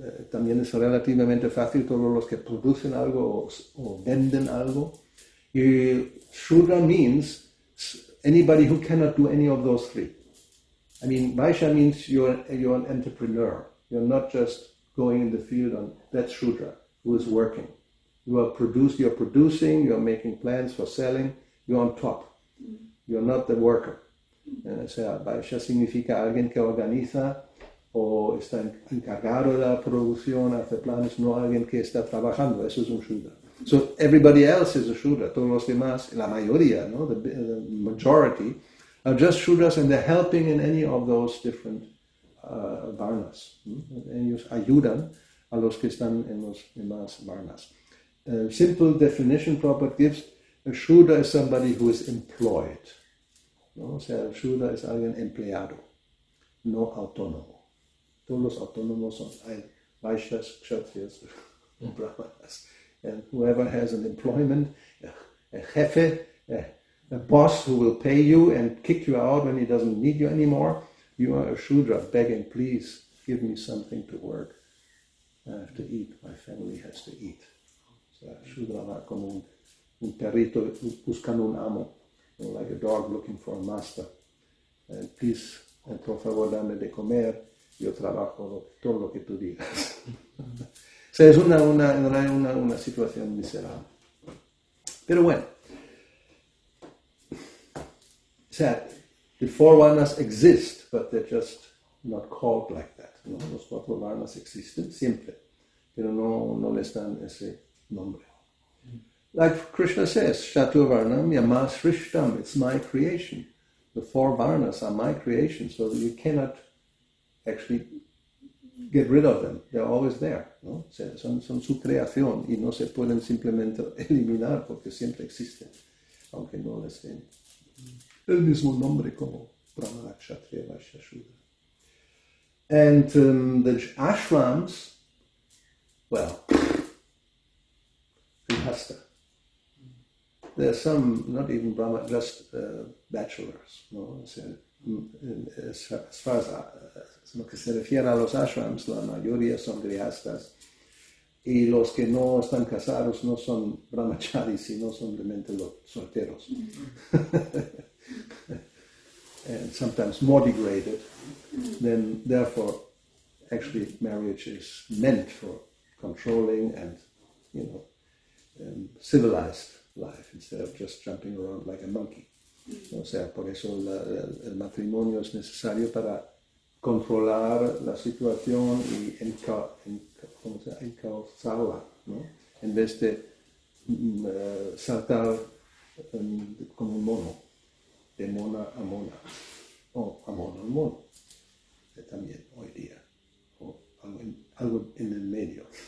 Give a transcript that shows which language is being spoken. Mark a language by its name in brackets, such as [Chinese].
[Spanish] También es relativamente fácil todos los que producen algo o venden algo. [English] Y Shudra means anybody who cannot do any of those three. I mean, Vaishya means you're an entrepreneur. You're not just going in the field on, that's Shudra, who is working. You're producing, you're making plans for selling, you're on top. You're not the worker. [Spanish] O sea, Vaishya significa alguien que organiza o está encargado de la producción, hace planes, no alguien que está trabajando. Eso es un Shudra. [English] So everybody else is a Shudra. [Spanish] Todos los demás, la mayoría, no, [English] the majority, are just Shudras, and they're helping in any of those different varnas. [Spanish] Ellos ayudan a los que están en los demás varnas. [English] A simple definition proper gives, a Shudra is somebody who is employed. No? [Spanish] O sea, Shudra es alguien empleado, no autónomo. Todos los autónomos son Vaishyas, Kshatriyas, Brahmanas. [English] And whoever has an employment, a jefe, a boss who will pay you and kick you out when he doesn't need you anymore, you are a Shudra begging, please give me something to work. I have to eat, my family has to eat. So a Shudra [Spanish] va como un perrito buscando un amo, [English] or like a dog looking for a master. And please, and [Spanish] por favor, dame de comer. Yo trabajo todo lo que tú digas. O sea, es una situación miserable. Pero bueno. O sea, [English] the four varnas exist, but they're just not called like that. [Spanish] ¿No? Los cuatro varnas existen siempre, pero no les dan ese nombre. [English] Like Krishna says, Chaturvarnam yama srishtam, it's my creation. The four varnas are my creation, so you cannot actually get rid of them. They're always there. [Spanish] ¿No? Son su creación y no se pueden simplemente eliminar porque siempre existen, aunque no les den el mismo nombre como Brahmana, Kshatriya, Vaishya, Shudra. [English] And the ashrams, well, Grihastha. There are some, not even Brahma, just bachelors. [Spanish] ¿No? [English] As far as [Spanish] lo que se refiere a los ashrams, la mayoría son grihastas. Y los que no están casados no son brahmacharis, sino simplemente los solteros. [English] And sometimes more degraded. Then, therefore, actually, marriage is meant for controlling and, you know, civilized life instead of just jumping around like a monkey. [Spanish] O sea, por eso el matrimonio es necesario para controlar la situación y encauzarla, ¿no? En vez de saltar como un mono, de mona a mona, o a mono al mono, también hoy día, o algo en el medio.